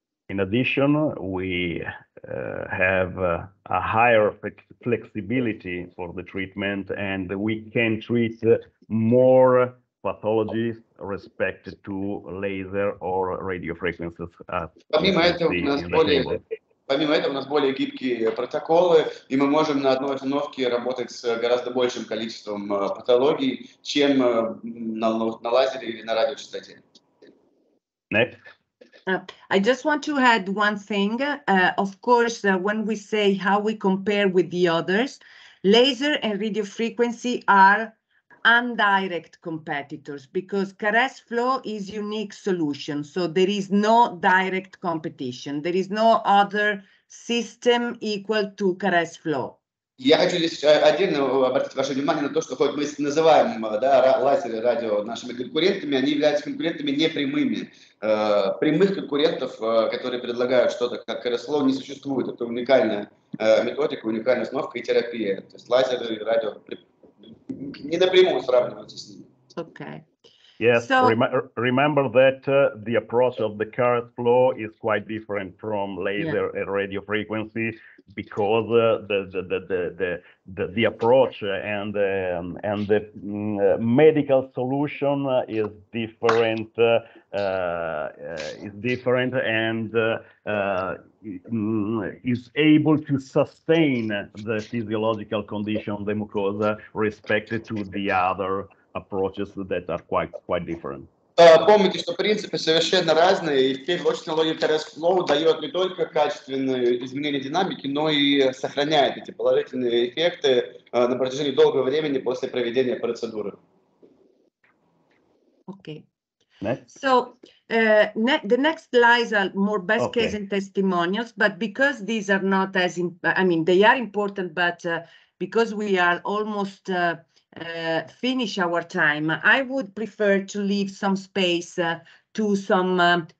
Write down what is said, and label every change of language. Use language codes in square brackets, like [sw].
[en] In addition, we have a higher flexibility for the treatment, and we can treat more pathologies respect to laser or radio frequencies. [ru] Помимо этого, у нас более гибкие протоколы, и мы можем на одной установке работать с гораздо большим количеством патологий, чем на лазере или на радиочастоте. [en] Next. I just want to add one thing. Of course, when we say how we compare with the others, laser and radio frequency are indirect competitors, because CRS Flow is unique solution, so there is no direct competition. There is no other system equal to CRS Flow. [ru] Я хочу здесь отдельно обратить ваше внимание на то, что хоть мы называем, да, лазеры, радио нашими конкурентами, они являются конкурентами непрямыми. Прямых конкурентов, которые предлагают что-то как CRS Flow, не существует. Это уникальная методика, уникальная установка и терапия. То есть лазеры и радио не напрямую сравниваются с ними. [en] Okay. Yes, so, remember that the approach of the CRS Flow is quite different from laser and radio frequency, because the approach and the medical solution is different and is able to sustain the physiological condition of the mucosa respected to the other approaches that are quite different. [ru] Помните, что принципы совершенно разные, и в первую очередь технология CRS Flow дает не только качественные изменения динамики, но и сохраняет эти положительные эффекты на протяжении долгого времени после проведения процедуры. [en] Okay. Next. So, the next slides are more best okay. case and testimonials, but because these are not as, they are important, but because we are almost finish our time, I would prefer to leave some space to some